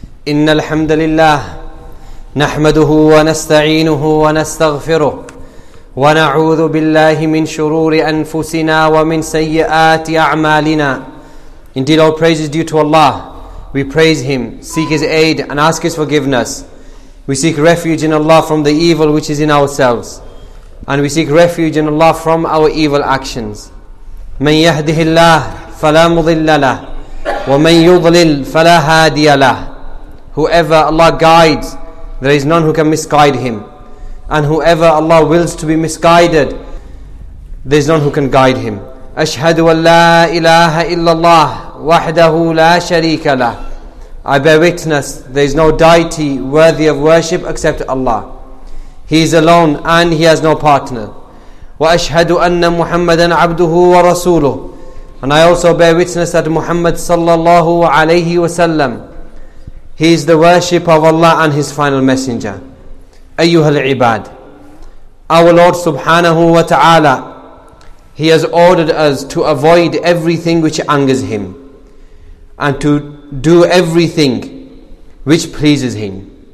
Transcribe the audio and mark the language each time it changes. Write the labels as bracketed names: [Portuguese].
[Arabic] إن الحمد لله نحمده ونستعينه ونستغفره ونعوذ بالله من شرور أنفسنا ومن سيئات أعمالنا. [English] Indeed, all praise is due to Allah. We praise Him, seek His aid, and ask His forgiveness. We seek refuge in Allah from the evil which is in ourselves, and we seek refuge in Allah from our evil actions. [Arabic] من يهده الله فلا مضل له ومن يضلل فلا هادي له. [English] Whoever Allah guides, there is none who can misguide him. And whoever Allah wills to be misguided, there is none who can guide him. [Arabic] أشهدُ أن لا إله إلا الله وحده لا شريك له. [English] I bear witness, there is no deity worthy of worship except Allah. He is alone and He has no partner. [Arabic] وأشهدُ أن محمدًا عبده ورسوله. [English] And I also bear witness that Muhammad صلى الله عليه وسلم, he is the worship of Allah and His final messenger. [Arabic] أيها العباد, [English] our Lord subhanahu wa ta'ala, He has ordered us to avoid everything which angers Him and to do everything which pleases Him.